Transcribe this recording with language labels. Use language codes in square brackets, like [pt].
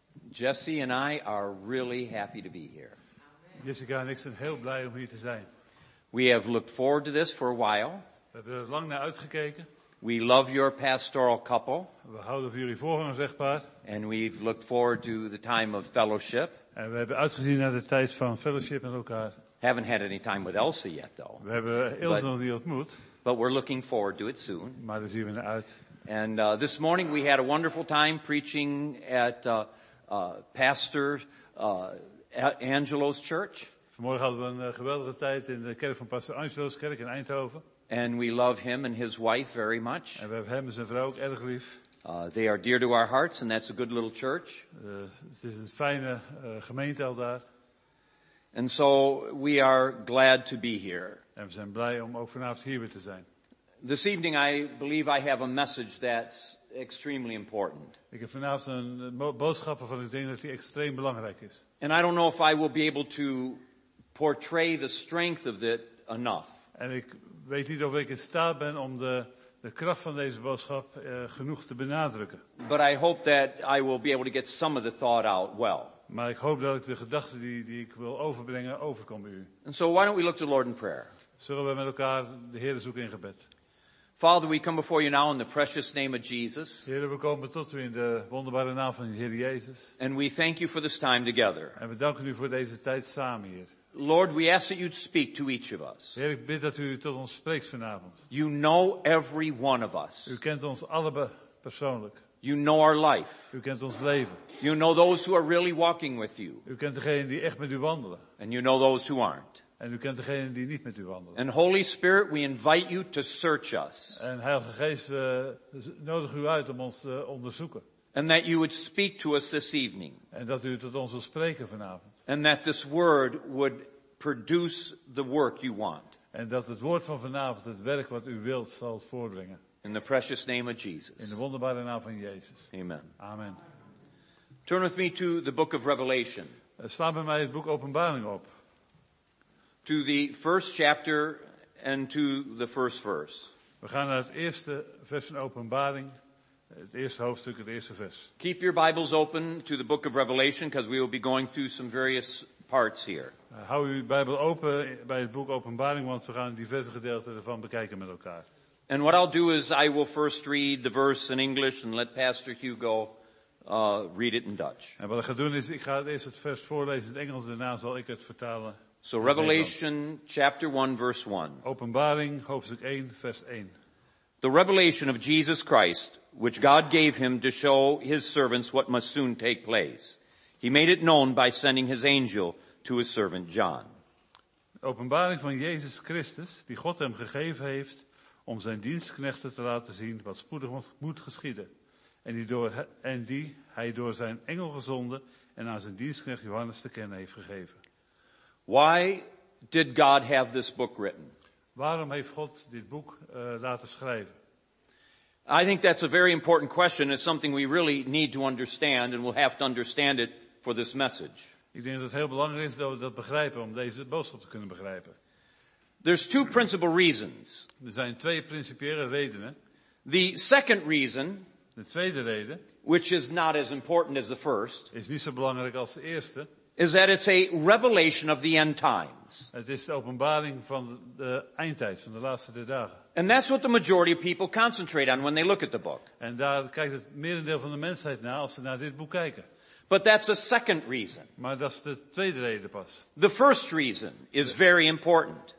[en] Jesse and I are really happy to be here. [nl] Jessica en ik zijn heel blij om hier te zijn. [en] We have looked forward to this for a while. [nl] We hebben er lang naar uitgekeken. [en] We love your pastoral couple. [nl] We houden van jullie voorgangersechtpaar. [en] And we've looked forward to the time of fellowship. [nl] En we hebben uitgezien naar de tijd van fellowship met elkaar. [en] Haven't had any time with Elsa yet, though. [nl] We hebben Elsa nog niet ontmoet. [en] But we're looking forward to it soon. [nl] Maar daar zien we naar uit. [en] And this morning we had a wonderful time preaching at Pastor Angelo's church. [nl] Vanmorgen hadden we een geweldige tijd in de kerk van Pastor Angelo's kerk in Eindhoven. [en] And we love him and his wife very much. [nl] En we hebben hem en zijn vrouw ook erg lief. [en] They are dear to our hearts, and that's a good little church. [nl] Het is een fijne gemeente al daar. [en] And so we are glad to be here. [nl] En we zijn blij om ook vanavond hier weer te zijn. [en] This evening I believe I have a message that's extremely important. [nl] Ik heb vanavond een boodschap waarvan ik denk dat die extreem belangrijk is. [en] And I don't know if I will be able to portray the strength of it enough. [nl] En ik weet niet of ik in staat ben om de kracht van deze boodschap genoeg te benadrukken. [en] But I hope that I will be able to get some of the thought out well. [nl] Maar ik hoop dat ik de gedachten die ik wil overbrengen overkom bij u. [en] And so why don't we look to the Lord in prayer? [nl] Zullen we met elkaar de Heer zoeken in gebed? [en] Father, we come before you now in the precious name of Jesus. [nl] Heer, we komen tot u in de wonderbare naam van de Heer Jezus. [en] And we thank you for this time together. [nl] En we danken u voor deze tijd samen, Heer. [en] Lord, we ask that you'd speak to each of us. [nl] Heer, ik bid dat u tot ons spreekt vanavond. [en] You know every one of us. [nl] U kent ons allebei persoonlijk. [en] You know our life. [nl] U kent ons leven. [en] You know those who are really walking with you. [nl] U kent degenen die echt met u wandelen. [en] And you know those who aren't. [nl] En u kent degenen die niet met u wandelen. [en] And Holy Spirit, we invite you to search us. [nl] En Heilige Geest, nodig u uit om ons te onderzoeken. [en] And that you would speak to us this evening. [nl] En dat u tot ons wilt spreken vanavond. [en] And that this word would produce the work you want. [nl] En dat het woord van vanavond het werk wat u wilt zal voortbrengen. [en] In the precious name of Jesus. [nl] In de wonderbare naam van Jezus. [en] Amen. [nl] Amen. [en] Turn with me to the book of Revelation. [nl] Sla bij mij het boek Openbaring op. [en] To the first chapter and to the first verse. [nl] We gaan naar het eerste vers van Openbaring. Het eerste hoofdstuk, het eerste vers. [en] Keep your Bibles open to the book of Revelation because we will be going through some various parts here. [nl] Hou uw Bijbel open bij het boek Openbaring, want we gaan diverse gedeelten ervan bekijken met elkaar. [en] And what I'll do is I will first read the verse in English and let Pastor Hugo read it in Dutch. [nl] En wat ik ga doen is ik ga eerst het vers voorlezen in het Engels, daarna zal ik het vertalen. [en] So Revelation chapter 1 verse 1. [nl] Openbaring hoofdstuk 1 vers 1. [en] The revelation of Jesus Christ, which God gave him to show his servants what must soon take place. He made it known by sending his angel to his servant John. [nl] De openbaring van Jezus Christus, die God hem gegeven heeft om zijn dienstknechten te laten zien wat spoedig moet geschieden. En die hij door zijn engel gezonden en aan zijn dienstknecht Johannes te kennen heeft gegeven. [en] Why did God have this book written? [nl] Waarom heeft God dit boek laten schrijven? [en] I think that's a very important question. It's something we really need to understand, and we'll have to understand it for this message. [nl] Ik denk dat het heel belangrijk is dat we dat begrijpen om deze boodschap te kunnen begrijpen. [en] There's two principal reasons. [nl] Er zijn twee principiële redenen. [en] The second reason, [nl] de tweede reden, [en] which is not as important as the first, [nl] is niet zo belangrijk als de eerste, [en] is that it's a revelation of the end times. [nl] Het is de openbaring van de eindtijd, van de laatste der dagen. [en] And that's what the majority of people concentrate on when they look at the book. [nl] En daar kijkt het merendeel van de mensheid naar als ze naar dit boek kijken. [en] But that's a second reason. [nl] Maar dat is de tweede reden pas. [en] The first reason is very important.